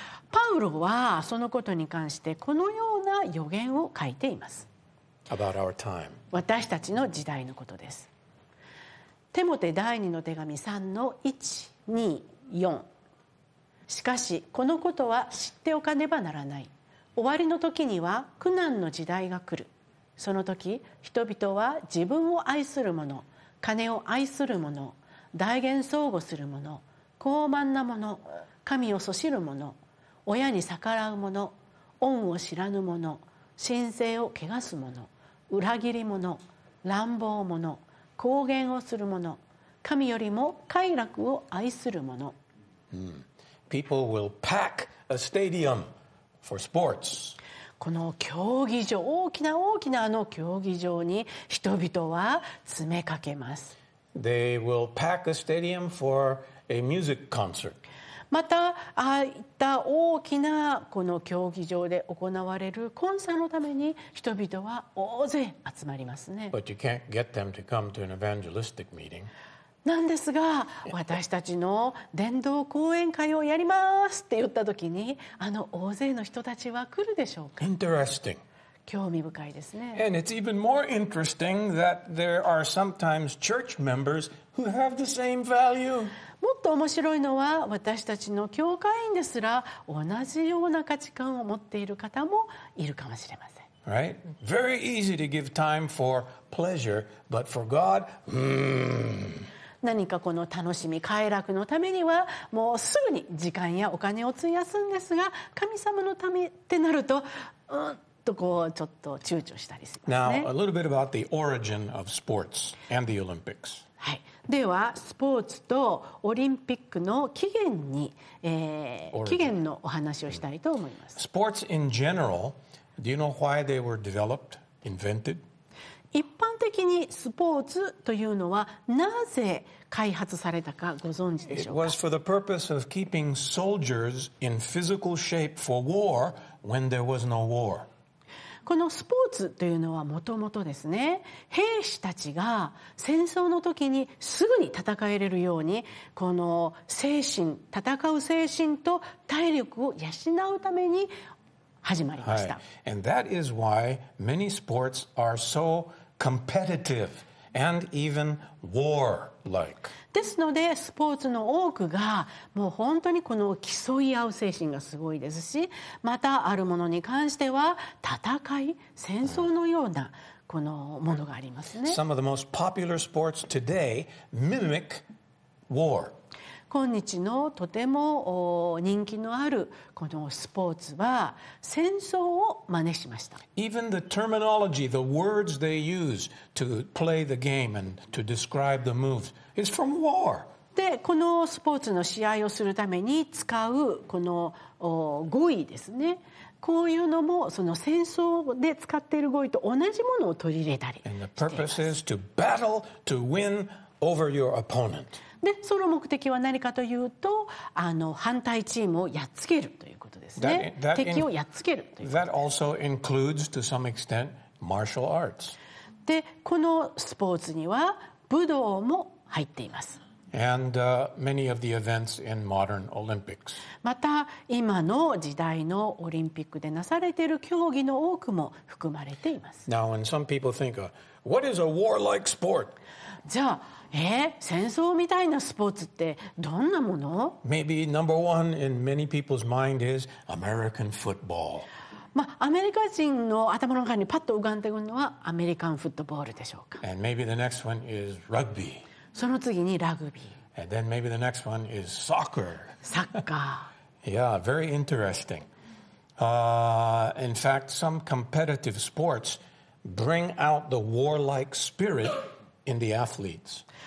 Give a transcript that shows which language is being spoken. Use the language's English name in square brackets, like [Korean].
[Japanese] パウロはそのことに関してこのような予言を書いています。 [English] About our time. [Japanese] 私たちの時代のことです。テモテ第二の手紙3の1、2、4。しかしこのことは知っておかねばならない。終わりの時には苦難の時代が来る。その時人々は自分を愛する者、金を愛する者、大言壮語する者、高慢な者、神をそしる者、親に逆らう者、恩を知らぬ者、神聖を汚す者、裏切り者、乱暴者、公言をする者、神よりも快楽を愛する者。 [English] People will pack a stadium for sports. [Japanese] この競技場、大きな大きなあの競技場に人々は詰めかけます。 [English] They will pack a stadium for a music concert. [Japanese] またああいった大きなこの競技場で行われるコンサートのために人々は大勢集まりますね。 [English] But you can't get them to come to an evangelistic meeting. [Japanese] なんですが、私たちの伝道講演会をやりますって言った時に、あの大勢の人たちは来るでしょうか？ [English] Interesting. [Japanese] 興味深いですね。 [English] And it's even more interesting that there are sometimes church members who have the same value. [Japanese] もっと面白いのは、私たちの教会員ですら同じような価値観を持っている方もいるかもしれません。 [English] Right? Very easy to give time for pleasure, but for God, [Japanese] 何かこの楽しみ快楽のためにはもうすぐに時間やお金を費やすんですが、神様のためってなると、とこうちょっと躊躇したりしますね。 [English] Now a little bit about the origin of sports and the Olympics. [Japanese] はい、ではスポーツとオリンピックの起源に、起源のお話をしたいと思います。 [English] スポーツ in general, do you know why they were developed, invented? [Japanese] 一般的にスポーツというのはなぜ開発されたかご存知でしょうか? [English] It was for the purpose of keeping soldiers in physical shape for war when there was no war. [Japanese] このスポーツというのはもともとですね、兵士たちが戦争の時にすぐに戦えれるように、この精神、戦う精神と体力を養うために始まりました、 [English] はい、And that is why many sports are so competitive and even war-like. [Japanese] ですので、スポーツの多くがもう本当にこの競い合う精神がすごいですし、またあるものに関しては戦い、戦争のようなこのものがありますね。 [English] Some of the most popular sports today mimic war. [Japanese] 今日のとても人気のあるこのスポーツは戦争を真似しました。 [English] Even the terminology, the words they use to play the game and to describe the moves is from war. [Japanese] で、このスポーツの試合をするために使うこの語彙ですね、こういうのもその戦争で使っている語彙と同じものを取り入れたりしています。 [English] And the purpose is to battle to win over your opponent. [Japanese] で、その目的は何かというと、反対チームをやっつけるということですね。敵をやっつけるということです。 [English] That also includes, to some extent, martial arts. [Japanese] で、このスポーツには武道も入っています。 [English] And many of the events in modern Olympics. [Japanese] また、今の時代のオリンピックでなされている競技の多くも含まれています。 [English] Now, when some people think, what is a war-like sport? [Japanese] じゃあ、戦争みたいなスポーツってどんなもの？ [English] Maybe number one in many people's mind is American football. [Japanese] まあ、アメリカ人の頭の中にパッと浮かんでくるのはアメリカンフットボールでしょうか。 [English] And maybe the next one is rugby. [Japanese] その次にラグビー。 [English] And then maybe the next one is soccer. [Japanese] サッカー。 [English] Yeah, very interesting. In fact, some competitive sports bring out the warlike spirit in the athletes.